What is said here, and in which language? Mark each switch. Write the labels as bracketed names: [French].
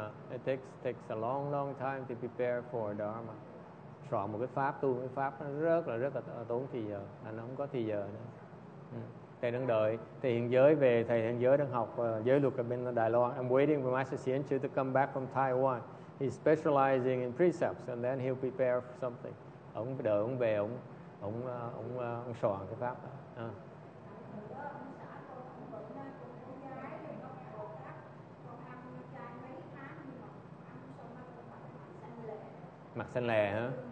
[English] It takes a long, long time to prepare for Dharma. [Vietnamese] Chọn một cái pháp, tu cái pháp nó rất là tốn thì giờ. Anh không có thì giờ nữa. Thầy đang đợi. Thầy hiện giới về, thầy hiện giới đang học giới luật ở bên Đài Loan. [English] I'm waiting for Master Xian Chu to come back from Taiwan. He's specializing in precepts and then he'll prepare for something. [Vietnamese] Ông đợi ông về, ông soạn cái pháp đó. Mặt xanh lè hả?